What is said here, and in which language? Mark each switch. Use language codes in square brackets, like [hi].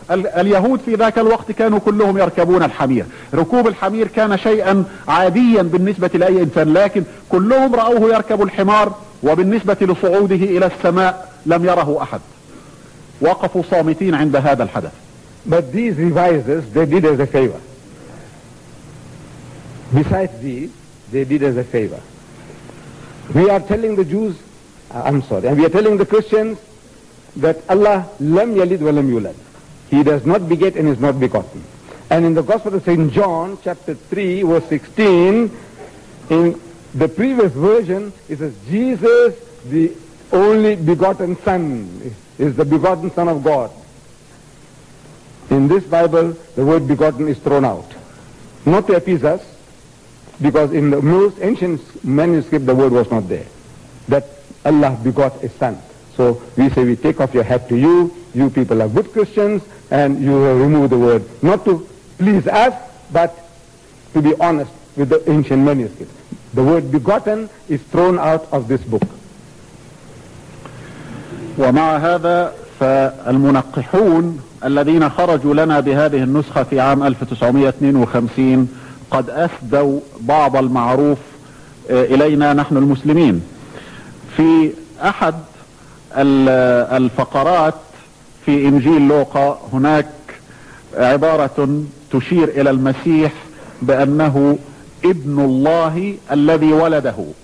[ar] اليهود في ذاك الوقت كانوا كلهم يركبون الحمير، ركوب الحمير كان شيئا عاديا بالنسبة لأي إنسان، لكن كلهم رأوه يركب الحمار، وبالنسبة لصعوده إلى السماء لم يره أحد، وقفوا صامتين عند هذا الحدث. [en] But these revisers, they did as a favor. Besides these, they did as a favor. We are telling the Jews, I'm sorry, we are telling the Christians that [ar] Allah lam yalid wa lam yulad. [en] He does not beget and is not begotten. And in the Gospel of St. John, chapter 3, verse 16, in the previous version, it says, Jesus, the only begotten Son, is the begotten Son of God. In this Bible, the word begotten is thrown out. Not to appease us, because in the most ancient manuscript, the word was not there, that Allah begot a Son. So we say, we take off your hat to you. You people are good Christians, and you have removed the word, not to please us, but to be honest with the ancient manuscript. The word begotten is thrown out of this book. [ar] ومع هذا فالمنقحون الذين خرجوا لنا بهذه النسخة في عام 1952 قد أسدوا بعض المعروف إلينا نحن المسلمين. في أحد الفقرات في إنجيل لوقا هناك عبارة تشير إلى المسيح بأنه ابن الله الذي ولده.